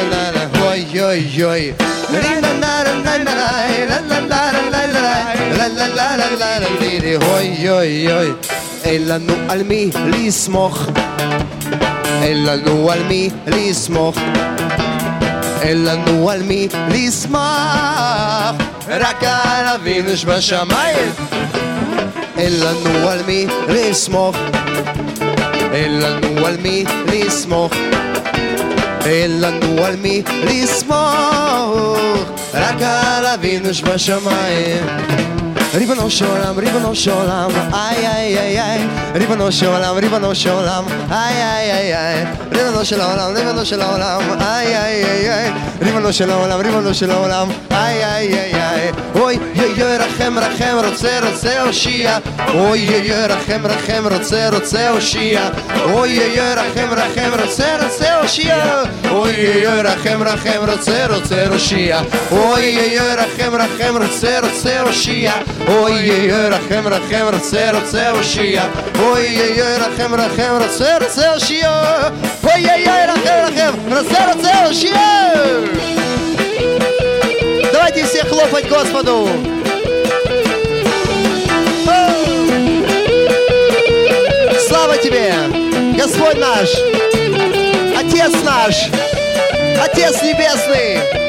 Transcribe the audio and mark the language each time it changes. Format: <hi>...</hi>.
<he>на на на ой ой ой ри на на на на на ла ла ла ла ла ла ла ла ой ой ой אין לנו על מי לסמוך, אין לנו על מי לסמוך, אין לנו על מי לסמוך, רק על אבינו שבשמיים. אין לנו על מי לסמוך, אין לנו על מי לסמוך, אין לנו על מי לסמוך, רק על אבינו שבשמיים. ריבונו שולם, ריבונו שולם, איי איי איי איי, ריבונו שולם, ריבונו שולם, איי איי איי איי, ריבונו של העולם, ריבונו של העולם, איי איי איי איי, ריבונו של העולם, ריבונו של העולם, איי איי איי איי, אוי יוי יוי רחם רחם, רוצה רוצה אושיע, אוי יוי יוי רחם רחם, רוצה רוצה אושיע, אוי יוי יוי רחם רחם, רוצה רוצה אושיע, אוי יוי יוי רחם רחם, רוצה רוצה אושיע, אוי יוי יוי רחם רחם, רוצה רוצה אושיע, אוי יוי יוי רחם רחם, רוצה רוצה אושיע, אוי יוי יוי רחם רחם, רוצה רוצה אושיע, אוי יוי יוי רחם רחם, רוצה רוצה אושיע.</he> <ru>Давайте все хлопать Господу. Слава тебе, Господь наш, Отец наш, Отец небесный.</ru>